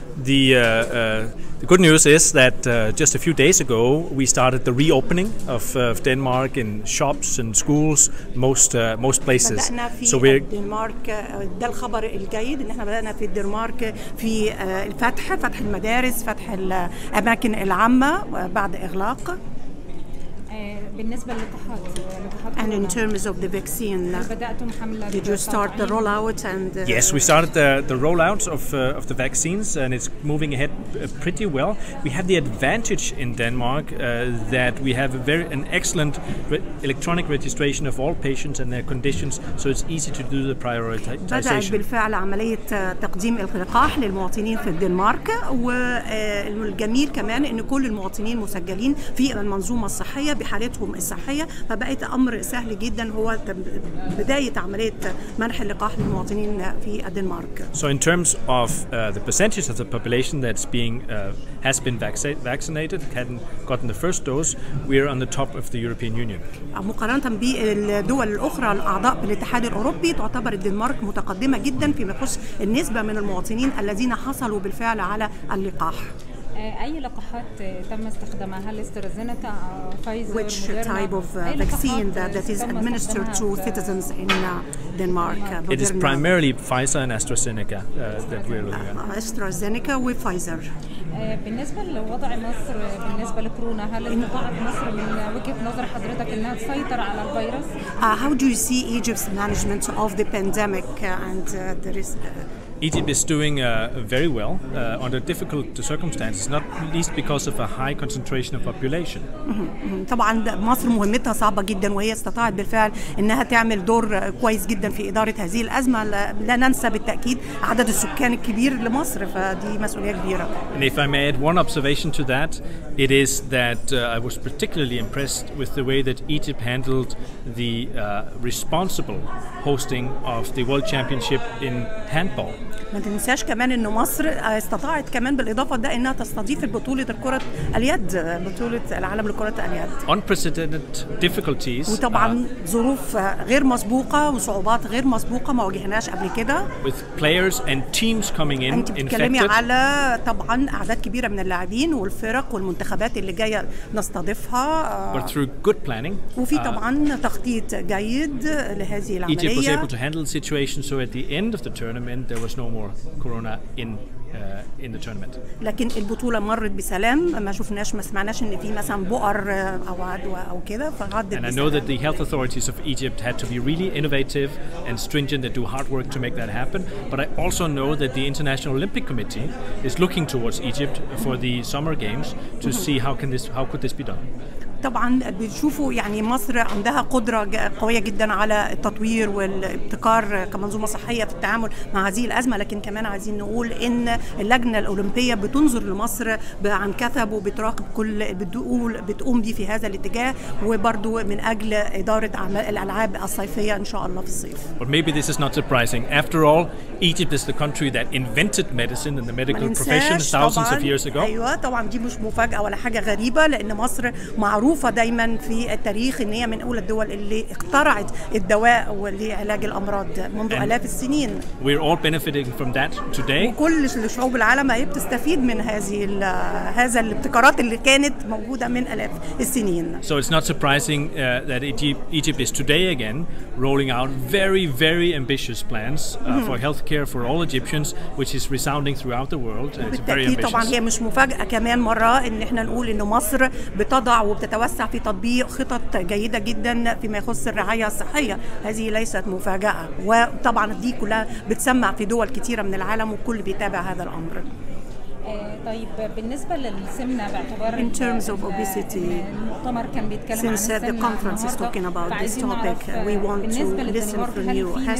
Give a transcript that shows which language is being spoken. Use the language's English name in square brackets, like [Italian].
[English] The good news is that just a few days ago we started the reopening of Denmark in shops and schools most places. So we're Denmark [Arabic] ده الخبر الجيد ان احنا بدأنا في الدنمارك في الفتح فتح المدارس فتح الاماكن العامه بعد اغلاق. بالنسبه للتحاليل [English] And in terms of the vaccine, did you start the rollout? And yes, we started the rollout of the vaccines, and it's moving ahead pretty well. We have the advantage in Denmark that we have an excellent electronic registration of all patients and their conditions, so it's easy to do the prioritization. [Arabic] بالفعل عملية تقديم اللقاح للمواطنين في الدنمارك والجميل كمان إن كل المواطنين مسجلين في المنظومة الصحية بحالتهم الصحية فبقت أمر سهل جدا هو بداية عملية منح اللقاح للمواطنين في الدنمارك. [English] So in terms of the percentage of the population that's being has been vaccinated, hadn't gotten the first dose, we are on the top of the European Union. [Arabic] مقارنة بالدول الأخرى الأعضاء في الاتحاد الأوروبي تعتبر الدنمارك متقدمة جدا فيما يخص النسبة من المواطنين الذين حصلوا بالفعل على اللقاح. أي لقاحات تم استخدامها؟ هل استرازينيكا أو فايزر؟ [English] Which type of vaccine that is administered to citizens in Denmark? It is primarily Pfizer and AstraZeneca that we're looking at. AstraZeneca with Pfizer. [Arabic] بالنسبة لوضع مصر بالنسبة لكورونا هل استطاعت مصر من وجهة نظر حضرتك أنها تسيطر على الفيروس؟ [English] How do you see Egypt's management of the pandemic and the risk? Egypt is doing very well under difficult circumstances, not least because of a high concentration of population. [Arabic] طبعا مصر مهمتها صعبة جدا وهي استطاعت بالفعل انها تعمل دور كويس جدا في إدارة هذه الأزمة. لا ننسى بالتأكيد عدد السكان الكبير لمصر فدي مسؤولية كبيرة. [English] And if I may add one observation to that, it is that I was particularly impressed with the way that Egypt handled the responsible hosting of the World Championship in handball. [Arabic] ما تنساش كمان إن مصر استطاعت كمان بالإضافة ده إنها تستضيف البطولة الكرة اليد بطولة العالم لكرة اليد. [English] Unprecedented difficulties. [Arabic] وطبعاً ظروف غير مسبوقة وصعوبات غير مسبوقة ما واجهناش قبل كده. [English] With players and teams coming in. [Arabic] أنت بتتكلمي على طبعاً أعداد كبيرة من اللاعبين والفرق والمنتخبات اللي جاية نستضيفها. [English] But through good planning. [Arabic] وفي طبعاً تخطيط جيد لهذه العملية. [English] Egypt was able to handle the situation, so at the end of the tournament there was no more corona in the tournament. [Arabic] لكن البطولة مرت بسلام ما شفناش ما سمعناش إن في مثلاً بؤر أو عدوى أو كذا فعدت. [English] And I know that the health authorities of Egypt had to be really innovative and stringent and do hard work to make that happen. But I also know that the International Olympic Committee is looking towards Egypt for the summer games to see how could this be done. [Arabic] طبعا بتشوفوا يعني مصر عندها قدرة قوية جدا على التطوير والابتكار كمنظومة صحية في التعامل مع هذه الأزمة لكن كمان عايزين نقول إن اللجنة الأولمبية بتنظر لمصر عن كثب وبتراقب كل بتقول بتقوم بيه في هذا الاتجاه وبرضو من أجل إدارة أعمال الألعاب الصيفية إن شاء الله في الصيف. [English] But maybe this is not surprising. After all, Egypt is the country that invented medicine and the medical profession thousands of years ago. [Arabic] أيوة طبعا دي مش مفاجأة ولا حاجة غريبة لأن مصر مع معروفة دايما في التاريخ ان هي من اولى الدول اللي اخترعت الدواء لعلاج الامراض منذ الاف السنين. [English] We're all benefiting from that today. [Arabic] وكل شعوب العالم هي بتستفيد من هذا الابتكارات اللي كانت موجودة من الاف السنين. [English] So it's not surprising that Egypt is today again rolling out very very ambitious plans for healthcare for all Egyptians which is resounding throughout the world. [Arabic] بالتأكيد طبعا هي مش مفاجأة كمان مرة ان احنا نقول ان مصر بتضع تتوسع في تطبيق خطط جيدة جدا فيما يخص الرعاية الصحية هذه ليست مفاجأة وطبعا دي كلها بتسمع في دول كثيرة من العالم وكل بيتابع هذا الأمر طيب بالنسبة للسمنة باعتبار [English] in terms of obesity [Arabic] المؤتمر كان بيتكلم عن السمنة [English] since the conference is talking about this topic we want to listen from you